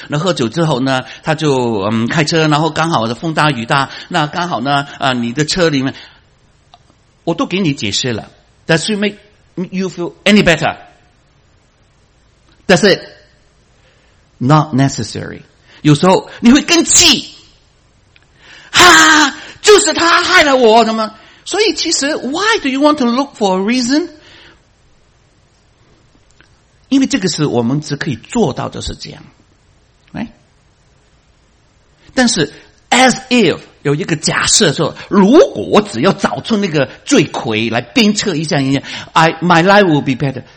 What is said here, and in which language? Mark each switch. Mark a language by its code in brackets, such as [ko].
[zh] 那喝酒之后呢，他就开车，然后刚好的风大雨大，那刚好呢你的车里面，我都给你解释了 ， [en] Does it make you feel any better？ That's it. Not necessary. [zh] 有时候你会更气，哈，就是他害了我的吗？所以其实 [en] ，Why do you want to look for a reason？ [zh] 因为这个是我们只可以做到的是这样 ， [en] Right？ [zh] 但是 ， [en] as if [zh] 有一个假设说，如果我只要找出那个罪魁来鞭策一下人家 ， [en] my life will be better.